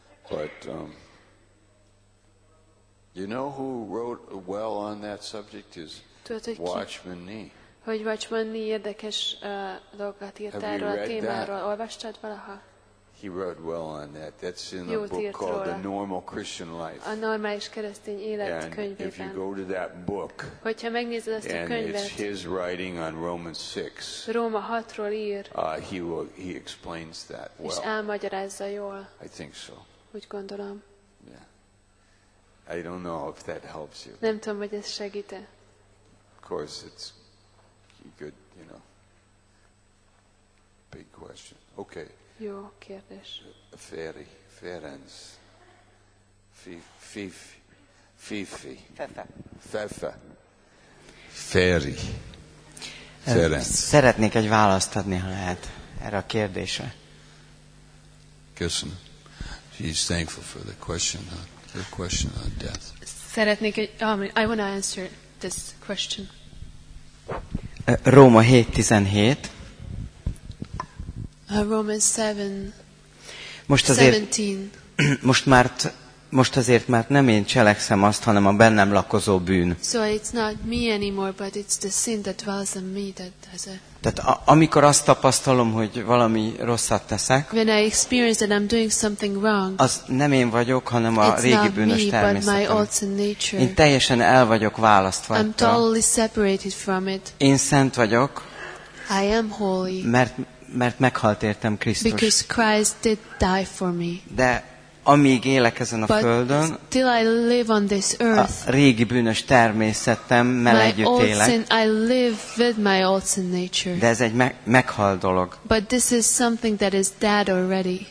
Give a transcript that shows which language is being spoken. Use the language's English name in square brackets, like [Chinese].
[English] But you know who wrote well on that subject is Watchman Nee. [Hungarian] Hogy Watchman Nee érdekes dolgokat írt erről a témáról. Olvastad valaha? [English] He wrote well on that. That's in a book called [Hungarian] róla. [English] The Normal Christian Life. [Hungarian] A normális keresztény élet [English] and [Hungarian] könyvében. [English] If you go to that book, [Hungarian] hogyha megnézed azt a könyvet, [English] and it's his writing on Romans 6, [Hungarian] Róma 6-ról ír, [English] he explains that well. [Hungarian] És elmagyarázza jól. [English] I think so. [Hungarian] Úgy gondolom. [English] Yeah. I don't know if that helps you. [Hungarian] Nem tudom, hogy ez segít-e. [English] Of course, it's good, you know. big question. Okay. [Hungarian] Jó kérdés. Feri, Ferenc, Fifi. Fefe. Feri. Ferenc. Szeretnék egy választ adni, ha lehet, erre a kérdésre. Köszönöm. [English] She's thankful for the question, the question on death. [Hungarian] Szeretnék egy, [English] I want to answer this question. [Hungarian] Róma 7:17. [English] Romans 7. [Hungarian] Most azért, 17. Most azért már nem én cselekszem azt, hanem a bennem lakozó bűn. [English] So it's not me anymore, but it's the sin that dwells in me that does it. [Hungarian] Tehát amikor azt tapasztalom, hogy valami rosszat teszek, [English] when I experience that I'm doing something wrong, [Hungarian] az nem én vagyok, hanem a régi bűnös természetem. [English] It's not me, but my alter nature. [Hungarian] Én teljesen el vagyok választva. [English] I'm totally separated from it. [Hungarian] Én szent vagyok. [English] I am holy. [Hungarian] Mert meghalt értem Krisztus. [English] Because Christ did die for me. [Hungarian] De amíg élek ezen a földön, [English] till I live on this earth, [Hungarian] a régi bűnös természetemmel együtt élek. [English] Sin, I live with my old sin nature. [Hungarian] De ez egy meghalt dolog. [English] But this is something that is dead already.